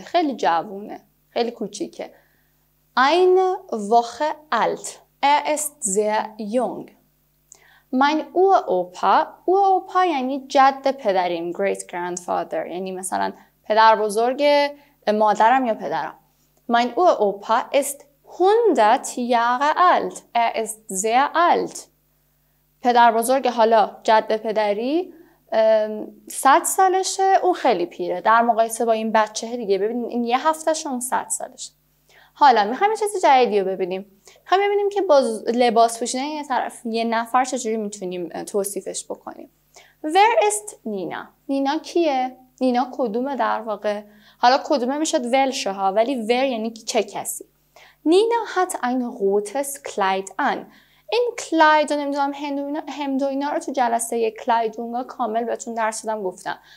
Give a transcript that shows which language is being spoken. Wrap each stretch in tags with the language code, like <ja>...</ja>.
<fa>خیلی جوونه. خیلی کوچیکه.</fa> <de>Eine Woche alt. Ist sehr jung. Mein Uropa.</de> <fa>Uropa یعنی جد پدریم.</fa> <en>Great grandfather.</en> <fa>یعنی مثلا پدر بزرگ مادرم یا پدرم.</fa> <de>Mein Uropa ist 100 Jahre alt. Ist sehr alt.</de> <fa>پدر بزرگ حالا جد پدری 100 سالشه اون خیلی پیره در مقایسه با این بچه دیگه ببینیم این یه هفتهش اون 100 سالشه حالا میخوایم یه چیز جدیدی رو ببینیم میخوایم ببینیم که با لباس پوشیدن یه طرف یه نفر چجوری میتونیم توصیفش بکنیم</fa> <en>Where is Nina؟</en> <fa>نینا کیه؟ نینا کدومه در واقع؟ حالا کدومه میشد ولشه ها ولی where یعنی چه کسی؟ نینا</fa> <de>hat ein rotes Kleid an</de> <fa>این کلاید رو نمیدونم هندوینا رو تو جلسه یه کلایدونگا کامل بهتون درس دادم گفتم.</fa>